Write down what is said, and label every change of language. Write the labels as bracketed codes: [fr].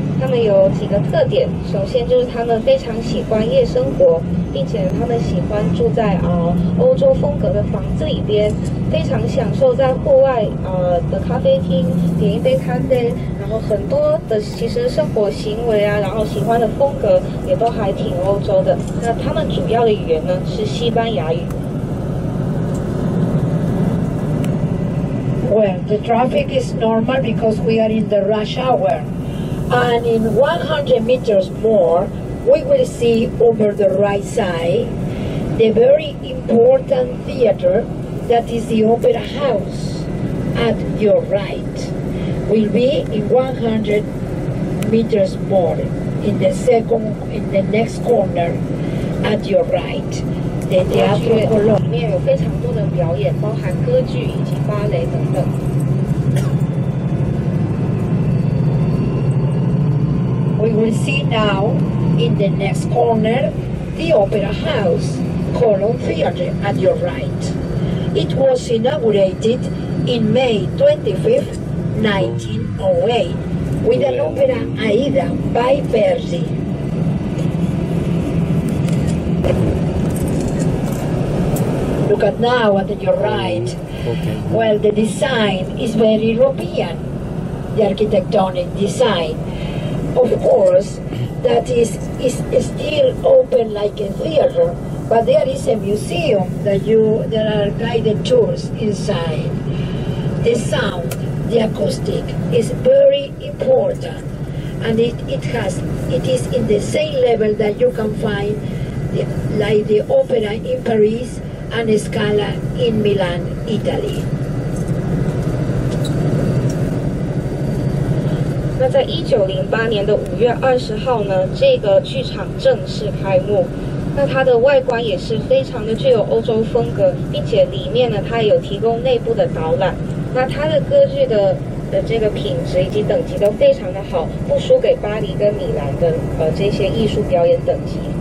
[zh] 他们有几个特点，首先就是他们非常喜欢夜生活，并且他们喜欢住在欧洲风格的房子里边，非常享受在户外的咖啡厅点一杯咖啡，然后很多的其实生活行为啊，然后喜欢的风格也都还挺欧洲的。那他们主要的语言呢是西班牙语。 [en] Well, the traffic is normal because we are in the rush hour. And in 100 meters more, we will see over the right side the very important theater that is the Opera House at your right. Will be in 100 meters more in the next corner at your right. The Teatro Colón. [zh] 里面有非常多的表演，包含歌剧以及芭蕾等等。 [en] We will see now in the next corner the Opera House, Colón Theatre, at your right. It was inaugurated in May 25th, 1908, with an opera Aida by Verdi. Look at now at your right. Well, the design is very European, the architectonic design. Of course, that is still open like a theater, but there is a museum there are guided tours inside. The sound, the acoustic is very important, and it is in the same level that you can find like the opera in Paris and Scala in Milan, Italy. [zh] 那在1908年的5月20号呢，这个剧场正式开幕。那它的外观也是非常的具有欧洲风格，并且里面呢，它有提供内部的导览。那它的歌剧的这个品质以及等级都非常的好，不输给巴黎跟米兰的这些艺术表演等级。